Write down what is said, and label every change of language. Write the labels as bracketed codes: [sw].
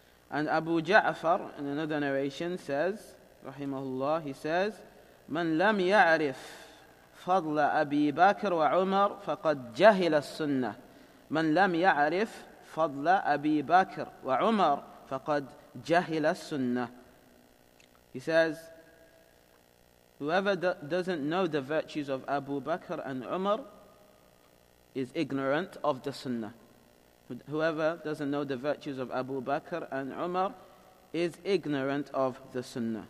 [en] And Abu Ja'far, in another narration, says, rahimahullah, he says, [ar] من لم يعرف فضل أبي بكر وعمر فقد جهل السنة. من لم يعرف فضل أبي بكر وعمر فقد جهل السنة. [en] He says, whoever doesn't know the virtues of Abu Bakr and Umar is ignorant of the Sunnah. Whoever doesn't know the virtues of Abu Bakr and Umar is ignorant of the Sunnah.